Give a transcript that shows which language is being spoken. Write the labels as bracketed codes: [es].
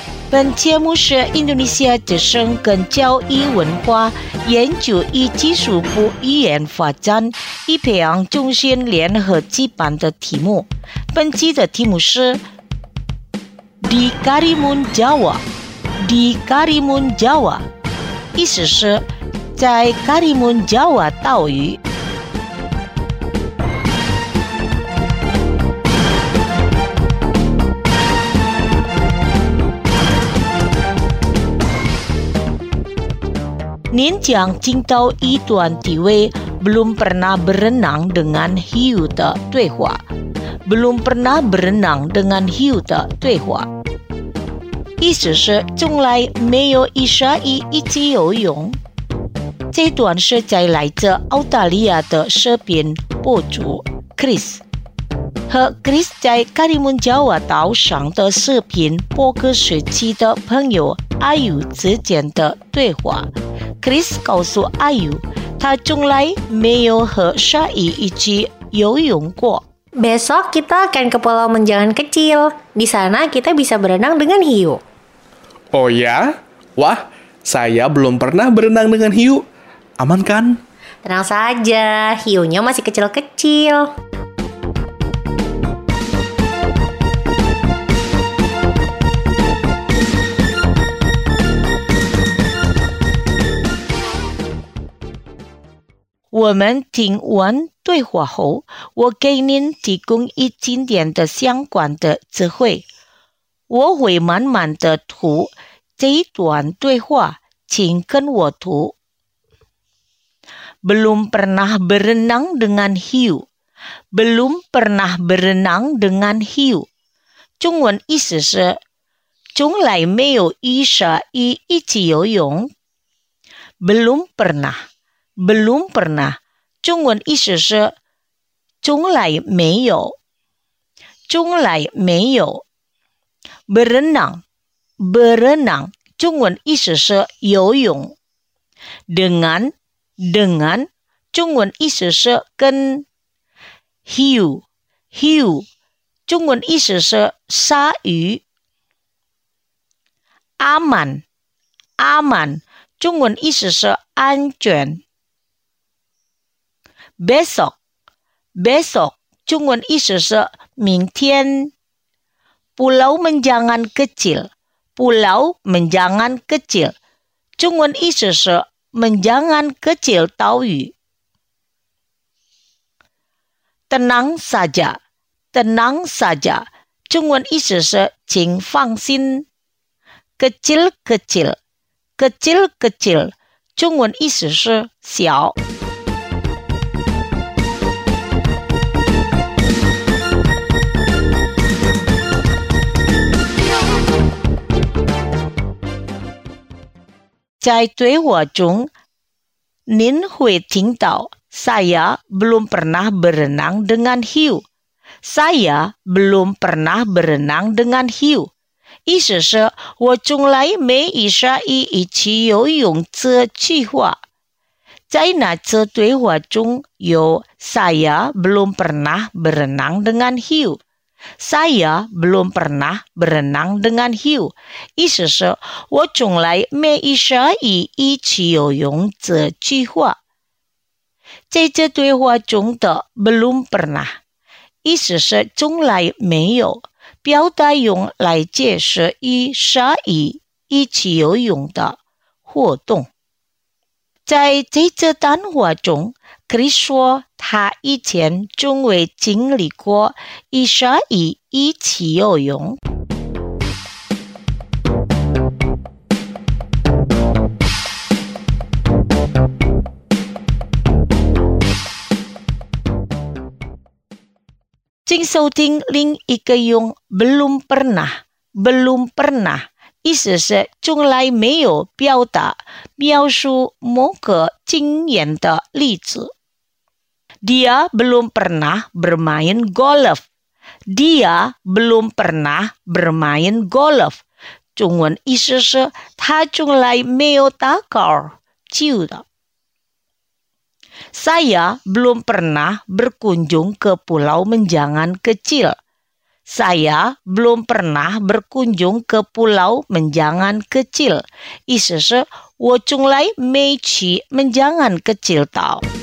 [zh] 本节目是印度尼西亚之声跟教育文化研究与技术部语言发展与培养中心联合举办的题目。本期的题目是 Di Karimun Jawa。 Di Karimun Jawa 意思是在 Karimun Jawa 岛屿。您将听到一段体味 [id] belum pernah berenang dengan hiu [zh] 的对话。 [id] belum pernah berenang dengan hiu [zh] 的对话意思是从来没有一鲨鱼一起游泳。这段是在来自澳大利亚的视频博主 Chris 和 Chris 在卡里蒙加瓦岛上的视频播客时期的朋友阿尤之间的对话。 Chris 告诉阿尤，他从来没有和鲨鱼一起游泳过。 [id] Besok kita akan ke Pulau Menjangan kecil. Di sana kita bisa berenang dengan hiu. Oh ya? Wah, saya belum pernah berenang dengan hiu. Aman kan? Tenang saja, hiunya masih kecil-kecil. [zh] 我们听完对话后，我给您提供一经典的相关的词汇。我会慢慢的读这一段对话，请跟我读。 [id] Belum pernah berenang dengan hiu. Belum pernah berenang dengan hiu. [zh] 中文意思是，从来没有与鲨鱼一起游泳。 [id] Belum pernah. Belum pernah [zh] 中文意思是从来没有，从来没有。 [id] Berenang, berenang [zh] 中文意思是游泳。 [id] Dengan, dengan [zh] 中文意思是跟。 [id] Hiu, hiu [zh] 中文意思是鲨鱼。 [id] Aman, aman [zh] 中文意思是安全。 [id] Besok, besok [zh] 中文意思是明天。 Pulau Menjangan kecil, Pulau Menjangan kecil 中文意思是Menjangan kecil 岛屿。 [id] Tenang saja, tenang saja [zh] 中文意思是请放心。 [id] Kecil kecil, kecil kecil [zh] 中文意思是小。在对话中，您会听到 [id] saya belum pernah berenang dengan hiu. Saya belum pernah berenang dengan hiu. [zh] 意思是我从来没与鲨鱼一起游泳这句话。在那次对话中有 [id] saya belum pernah berenang dengan hiu。 Saya belum pernah berenang dengan hiu. [zh] 意思是我从来没与鲨鱼一起游泳这句话。在这对话中的 [id] belum pernah， [zh] 意思是从来没有，表达用来解释与鲨鱼一起游泳的活动。在这次谈话中， Chris 说他以前从未经历过与鲨鱼一起游泳。请收听另一个用 [id] belum pernah， belum pernah。 [zh] 意思是从来没有表达描述某个经验的例子。 [id] Dia belum pernah bermain golf. Dia belum pernah bermain golf. [zh] 中文意思是他从来没有打高尔夫的。 [id] Saya belum pernah berkunjung ke Pulau Menjangan kecil. Saya belum pernah berkunjung ke Pulau Menjangan kecil. [zh] 意思是我从来没去Menjangan kecil tau.